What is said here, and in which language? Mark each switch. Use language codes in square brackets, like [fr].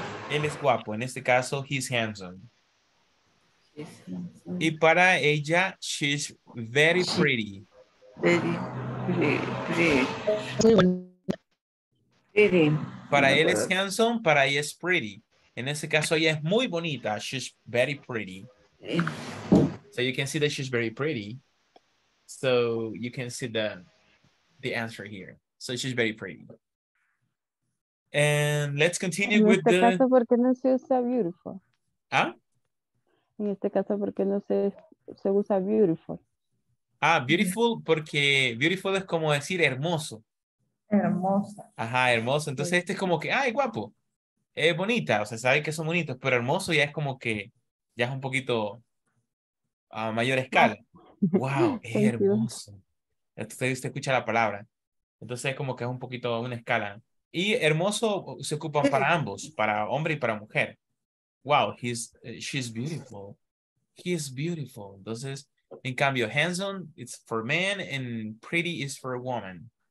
[es] Él es guapo. En este caso, [en] he's handsome. [es] Y para ella, [en] she's very pretty. Very pretty. [es] Para él es handsome, para ella es pretty. En ese caso, ella es muy bonita. [en] She's very pretty. So you can see that she's very pretty. So you can see the answer here. So she's very pretty. And let's continue [es] en [en] with [es] este [en] the... [es] En este caso, ¿por qué no se usa beautiful? ¿Ah? En este caso, ¿por qué no se usa beautiful? Ah, beautiful, porque beautiful es como decir hermoso. Hermosa. Ajá, hermoso. Entonces sí. Este es como que, ay, guapo. Es bonita, o sea, sabe que son bonitos, pero hermoso ya es como que, ya es un poquito a mayor escala. Wow, es hermoso. Usted escucha la palabra. Entonces es como que es un poquito una escala. Y hermoso se ocupa para ambos, para hombre y para mujer. [en] Wow, she's beautiful. He is beautiful. [es] Entonces, en cambio, handsome, [en] it's for man, and pretty is for a woman.